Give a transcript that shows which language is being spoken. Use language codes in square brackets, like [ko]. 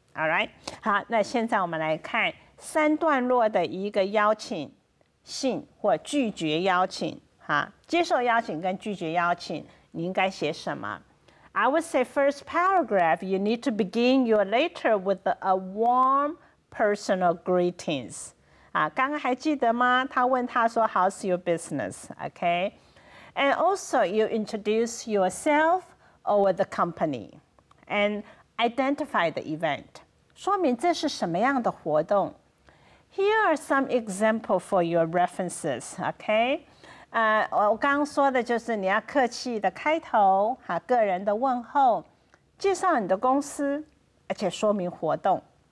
[zh] All right， 好，那现在我们来看三段落的一个邀请信或拒绝邀请，接受邀请跟拒绝邀请你应该写什么？ [en] I would say first paragraph, you need to begin your letter with a warm personal greetings. [zh] 刚刚还记得吗？他问他说 ， [en] How's your business? Okay, and also you introduce yourself or the company, and identify the event. [zh] 说明这是什么样的活动。 [en] Here are some examples for your references. [zh] Okay, 我刚刚说的就是你要客气的开头，哈，个人的问候，介绍你的公司，而且说明活动。